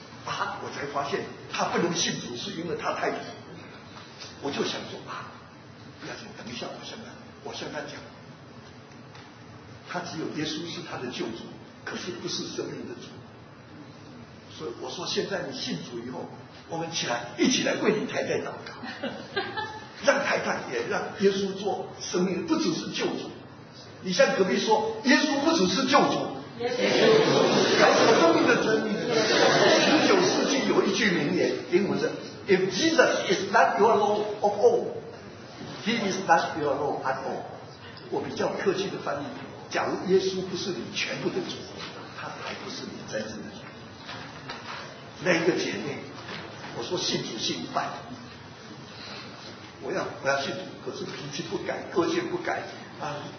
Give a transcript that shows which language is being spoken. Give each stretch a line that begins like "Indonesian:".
Chinese: 啊，我才发现她不能信主，是因为她太太。我就想说啊，不要紧，等一下我向她讲，她只有耶稣是她的救主，可是不是生命的主。所以我说，现在你信主以后，我们起来一起来为你太太祷告。让太太也让耶稣做生命，不只是救主。你向隔壁说，耶稣不只是救主，耶稣还是生命的主。 19世纪有一句名言，英文是
English: "If Jesus is not your Lord of all, He is not your Lord at all."
Chinese: 我比较客气的翻译：假如耶稣不是你全部的主，他还不是你真正的主。那一个姐妹，我说信主信一半。我要信主，可是脾气不改，个性不改啊！